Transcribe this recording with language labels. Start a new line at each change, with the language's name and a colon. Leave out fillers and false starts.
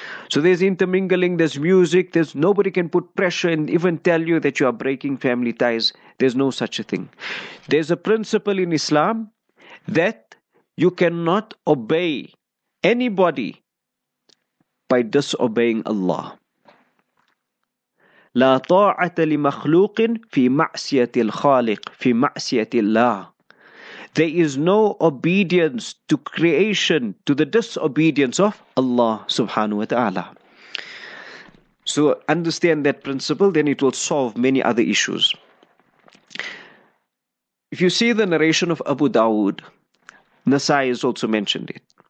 English: So there's intermingling, there's music, there's nobody can put pressure and even tell you that you are breaking family ties. There's no such a thing. There's a principle in Islam that you cannot obey anybody by disobeying Allah.
Arabic: لا طاعة لمخلوق في معصية الخالق في معصية الله.
English: There is no obedience to creation, to the disobedience of Allah subhanahu wa ta'ala. So understand that principle, then it will solve many other issues. If you see the narration of Abu Dawood, Nasai has also mentioned it.